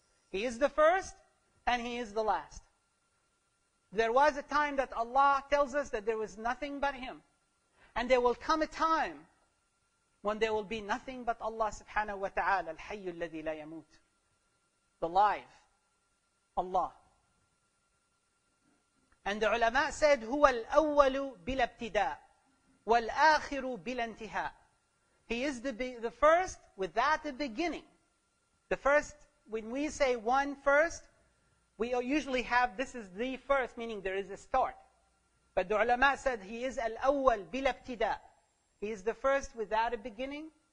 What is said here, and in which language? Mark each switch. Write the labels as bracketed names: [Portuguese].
[English] He is the first and He is the last. There was a time that Allah tells us that there was nothing but Him. And there will come a time when there will be nothing but Allah subhanahu wa ta'ala, [Arabic] الحي الذي لا يموت. [English] The live, Allah. And the ulama said, [Arabic] هو الأول بلا ابتداء والآخر بلا انتهاء. [English] He is the first without a beginning. The first, when we say one first, we usually have this is the first, meaning there is a start. But the ulama said, He is al-awwal bil-abtida. He is the first without a beginning.